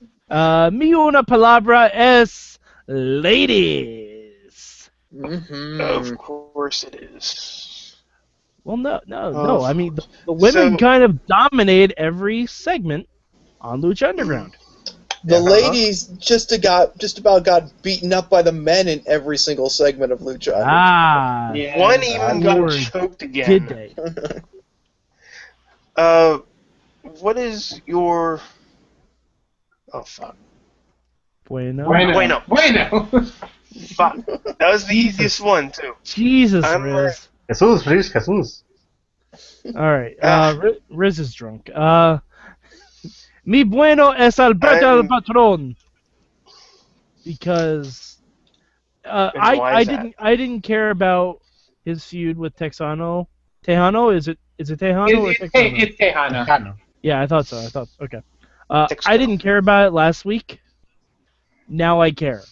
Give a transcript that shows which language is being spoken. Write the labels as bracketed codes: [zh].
[es] Mi una palabra es ladies. [en] Mm-hmm. Of course it is. Well, no. I mean, the women kind of dominate every segment on Lucha Underground. The ladies just about got beaten up by the men in every single segment of Lucha Underground. Ah, yeah. One even got choked again. Did they? What is your... Oh, fuck. [es] Bueno. [en] Fuck. That was the easiest one, too. Jesus, Riz. Jesus. Alright, Riz is drunk. [es] Mi bueno es Alberto el Patron. [en] Because I didn't care about his feud with Texano. Tejano? Is it Tejano? It's Tejano. Yeah, I thought so. I didn't care about it last week. Now I care.